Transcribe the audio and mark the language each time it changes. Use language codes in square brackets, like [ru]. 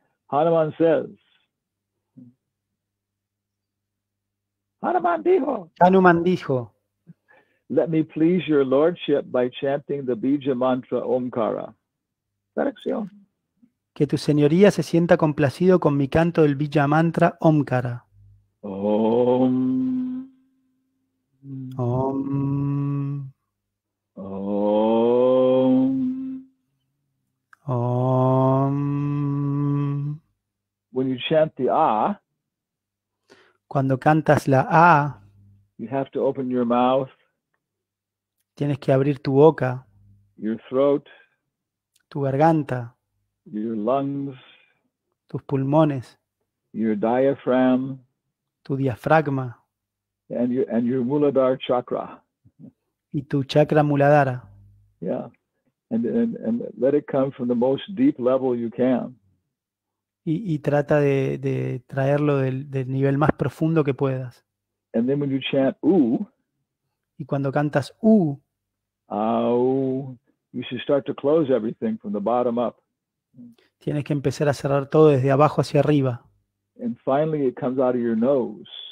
[en] Hanuman says, [es] Hanuman dijo, [en] let me please your lordship by chanting the Bija Mantra Omkara. [es] Traducción. Que tu señoría se sienta complacido con mi canto del Bija Mantra Omkara. [sa] Om. Om. Om. Om. [en] When you chant the ah, [es] cuando cantas la A, [en] you have to open your mouth, [es] tienes que abrir tu boca, [en] your throat, [es] tu garganta, [en] your lungs, [es] tus pulmones, [en] your diaphragm, [es] tu diafragma, [en] and your muladhara chakra, [es] y tu chakra muladhara. [en] Yeah, and let it come from the most deep level you can. [es] Y trata de traerlo del nivel más profundo que puedas. [en] And then when you chant [es] y cuando cantas [en] you should start to close everything from the bottom up. [es] Tienes que empezar a cerrar todo desde abajo hacia arriba. [en] And finally it comes out of your nose.